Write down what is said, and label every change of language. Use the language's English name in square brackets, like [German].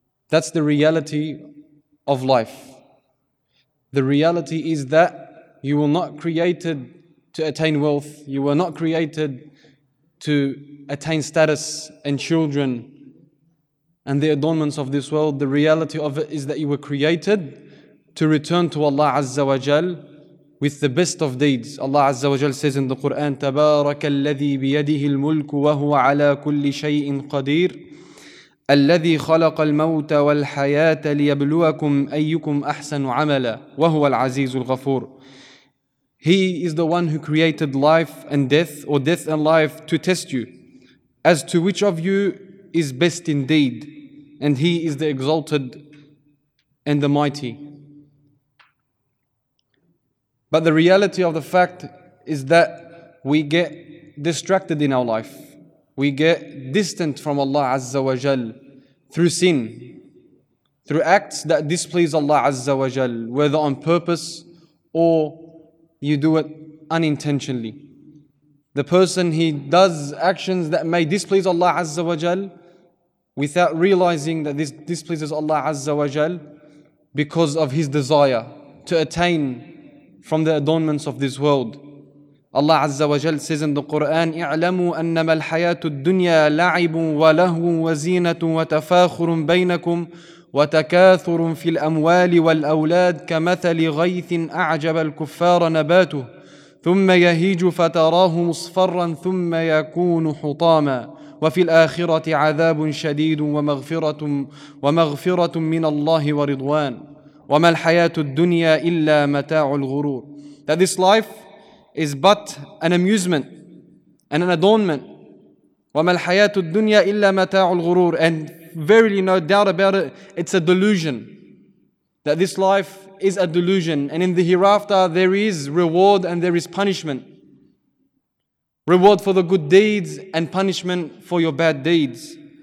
[English] That's the reality of life. The reality is that you were not created to attain wealth, you were not created to attain status and children and the adornments of this world. The reality of it is that you were created to return to Allah Azza wa Jal with the best of deeds. Allah Azza wa Jal says in the Quran, [Arabic] تَبَارَكَ الَّذِي بِيَدِهِ الْمُلْكُ وَهُوَ عَلَىٰ كُلِّ شَيْءٍ قَدِيرٍ الَّذِي خَلَقَ الْمَوْتَ وَالْحَيَاةَ لِيَبْلُوَكُمْ أَيُّكُمْ أَحْسَنُ عَمَلًا وَهُوَ الْعَزِيزُ الْغَفُورُ. [English] He is the one who created life and death, or death and life, to test you as to which of you is best indeed. And He is the exalted and the mighty. But the reality of the fact is that we get distracted in our life. We get distant from Allah Azza wa Jal through sin, through acts that displease Allah Azza wa Jal, whether on purpose or you do it unintentionally. The person, he does actions that may displease Allah Azza wa Jal without realizing that this displeases Allah Azza wa Jal because of his desire to attain from the adornments of this world. Allah Azza wa Jal says in the Quran, [Arabic] اعلموا أنما الحياة الدنيا لعب ولهو وزينة وتفاخر بينكم وتكاثر في الأموال والأولاد كمثل غيث أعجب الكفار نباته ثم يهيج فتراه مصفرا ثم يكون حطاما وفي الآخرة عذاب شديد ومغفرة من الله ورضوان وما الحياة الدنيا إلا متاع الغرور. [English] That this life is but an amusement and an adornment. [Arabic] وما الحياة الدنيا إلا متاع الغرور. [English] And verily, no doubt about it, it's a delusion. That this life is a delusion. And in the hereafter, there is reward and there is punishment. Reward for the good deeds and punishment for your bad deeds.